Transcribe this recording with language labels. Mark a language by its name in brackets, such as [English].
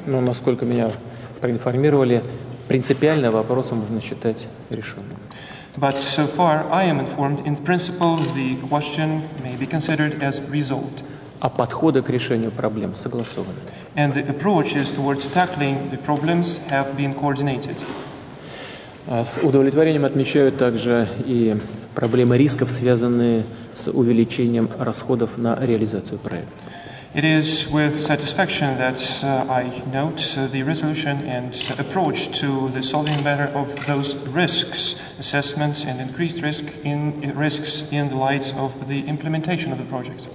[Russian] Но насколько меня проинформировали, принципиально вопрос можно считать решенным. [English] But so far, I am informed, in principle, the question may be considered as resolved. [Russian] А подходы к решению проблем согласованы. [English] And the approaches towards tackling the problems have been coordinated. [Russian] С удовлетворением отмечаю также и проблемы рисков, связанные с увеличением расходов на реализацию проекта. [English] It is with satisfaction that I note the resolution and approach to the solving matter of those risks, assessments and increased risks in the light of the implementation of the project.